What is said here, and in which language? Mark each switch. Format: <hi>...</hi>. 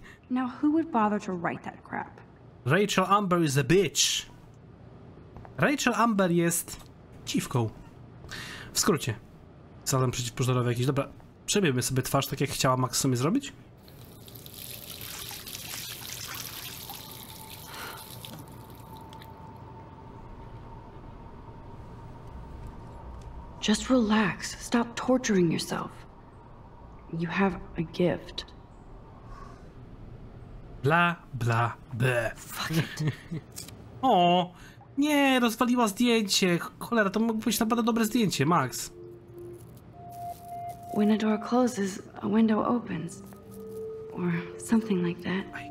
<en>Now who would bother to write that crap? Rachel Amber is a bitch.</en> <pl>Rachel Amber jest dziwką. W skrócie. Zadam przeciwpożarowy jakiś. Dobra. Przebijmy sobie twarz, tak jak chciała Max sobie zrobić.</pl> <en>Just relax. Stop torturing yourself. You have a gift. Bla, bla, be. Fuck it.</en> <pl>O, nie, rozwaliła zdjęcie. Cholera, to mogło być naprawdę dobre zdjęcie, Max.</pl> <en>When a door closes, a window opens. Or something like that.</en>